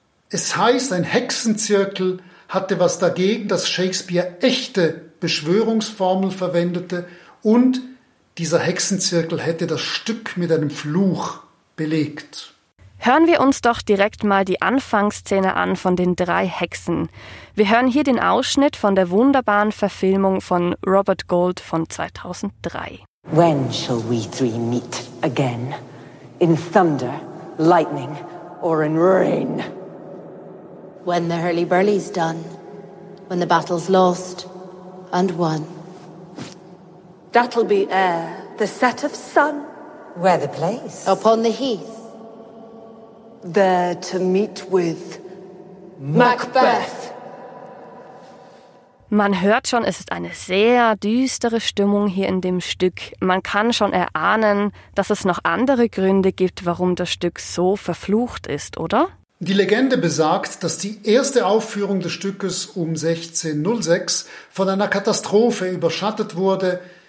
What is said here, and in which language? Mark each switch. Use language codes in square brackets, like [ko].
[de] Es heißt, ein Hexenzirkel hatte was dagegen, dass Shakespeare echte Beschwörungsformel verwendete, und dieser Hexenzirkel hätte das Stück mit einem Fluch belegt. Hören wir uns doch direkt mal die Anfangsszene an von den drei Hexen. Wir hören hier den Ausschnitt von der wunderbaren Verfilmung von Robert Gold von 2003. [en] When shall we three meet again? In thunder, lightning, or in rain? When the hurly-burly's done. When the battle's lost and won. That'll be ere the set of sun. Where the place? Upon the heath. There to meet with Macbeth. [de] Man hört schon, es ist eine sehr düstere Stimmung hier in dem Stück. Man kann schon erahnen, dass es noch andere Gründe gibt, warum das Stück so verflucht ist, oder? Die Legende besagt, dass die erste Aufführung des Stückes um 1606 von einer Katastrophe überschattet wurde.